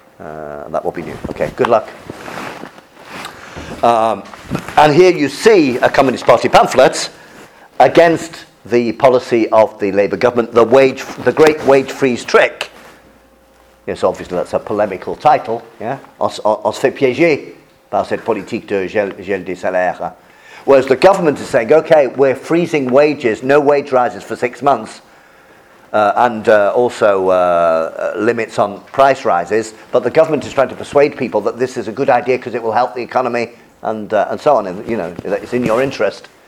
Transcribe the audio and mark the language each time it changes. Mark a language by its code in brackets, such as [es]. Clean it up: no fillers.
[en] That will be new. Okay, good luck. And here you see a Communist Party pamphlet against the policy of the Labour government, the great wage freeze trick. Yes, obviously that's a polemical title. [fr] Yeah, on se fait piéger. Par cette politique de gel des salaires. [en] Whereas the government is saying, okay, we're freezing wages, no wage rises for 6 months, and also limits on price rises, but the government is trying to persuade people that this is a good idea because it will help the economy and so on, and, you know, it's in your interest.